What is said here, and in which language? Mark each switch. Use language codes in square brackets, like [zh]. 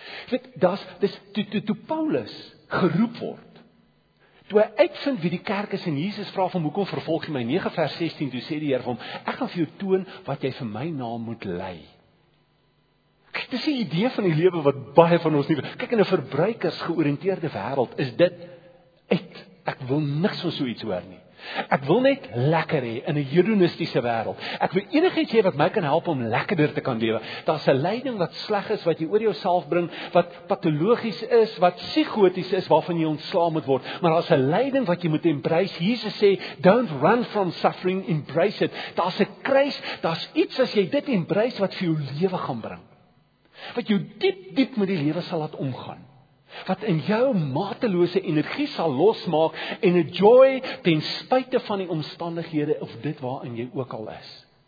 [af] Weet, dis toe Paulus geroep word, toe hy uitvind wie die kerk is en Jesus vraag van hoekom vervolg jy my 9 vers 16, toe sê die Heer vir hom, ek gaan vir jou toon wat jy vir my naam moet lei. Kijk, dis die idee van die lewe wat baie van ons nie wil. Kijk, in een verbruikers georiënteerde wêreld is dit uit. Ek wil niks van so iets hoor nie. Ek wil net lekker hê in 'n hedonistiese wêreld. Ek wil enigiets hê wat my kan help om lekkerder te kan lewe. Daar's 'n leiding wat sleg is, wat jy oor jouself bring, wat patologies is, wat psigoties is, waarvan jy ontslaa moet word. Maar daar's 'n leiding wat jy moet embrace. Jesus sê, [en] don't run from suffering, embrace it. [af] Daar's 'n kruis, daar's iets as jy dit embrace wat vir jou lewe gaan bring. Wat jou diep, diep met die lewe sal laat omgaan. Wat in jou matelose energie sal losmaak en 'n joy ten spyte van die omstandighede of dit waarin jy ook al is.